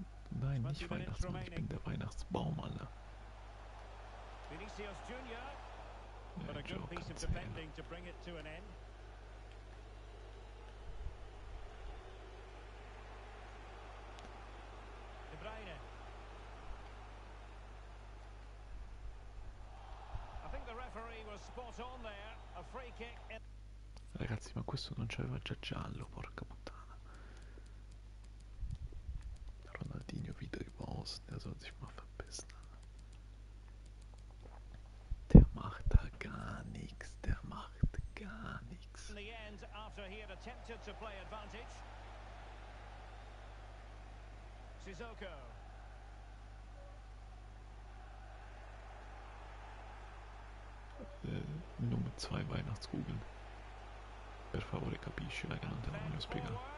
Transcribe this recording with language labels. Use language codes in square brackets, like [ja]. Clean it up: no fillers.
[de] Nein, nicht Weihnachtsmann, ich bin der Weihnachtsbaum, Alter. [en] Vinicius Junior, but a good piece of defending to bring it to an end. De Bruyne. I think the referee was spot on there. A free kick. [it] Ragazzi, ma questo non c'aveva già giallo, porca puttana. [de] Ronaldinho wieder über außen, der soll sich mal verpissen. Der macht da gar nichts, der macht gar nichts. [en] In the end, after he had attempted to play advantage. Sissoko. [de] Nur mit zwei Weihnachtskugeln. [it] Per favore capisci, raga, non te lo voglio spiegare.